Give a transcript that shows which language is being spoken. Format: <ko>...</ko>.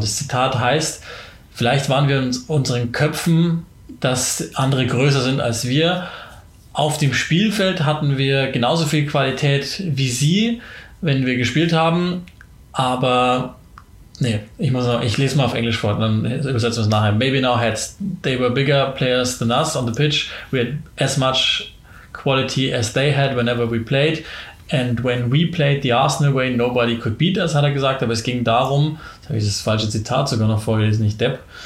<de>Das Zitat heißt, vielleicht waren wir in unseren Köpfen, dass andere größer sind als wir. Auf dem Spielfeld hatten wir genauso viel Qualität wie sie, wenn wir gespielt haben, aber ich lese mal auf Englisch vor, dann übersetzen wir es nachher.</de> <en>Maybe in our heads, they were bigger players than us on the pitch. We had as much quality as they had whenever we played. And when we played the Arsenal way, nobody could beat us,</en> <de>hat er gesagt. Aber es ging darum, jetzt habe ich das falsche Zitat sogar noch vorgelesen, nicht Depp.</de>